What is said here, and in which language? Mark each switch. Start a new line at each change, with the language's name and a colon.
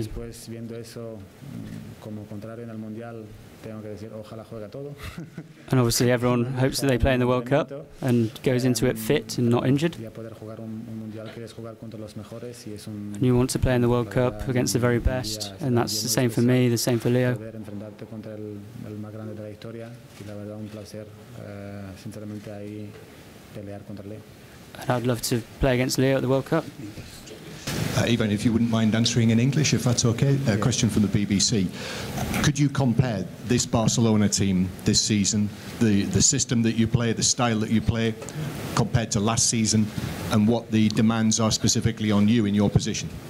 Spanish: Después, viendo eso, como contrario en el Mundial, tengo que decir, ojalá juegue todo.
English: And obviously everyone hopes that they play in the World Cup and goes into it fit and not injured. And you want to play in the World Cup against the very best, and that's the same for me, the same for Leo.
Spanish: Enfrentarte contra el más grande de la historia, y la verdad un placer, sinceramente ahí pelear contra Leo.
English: And I'd love to play against Leo at the World Cup. Ivan, if you wouldn't mind answering in English, if that's okay, a question from the BBC. Could you compare this Barcelona team this season, the system that you play, the style that you play, compared to last season, and what the demands are specifically on you in your position?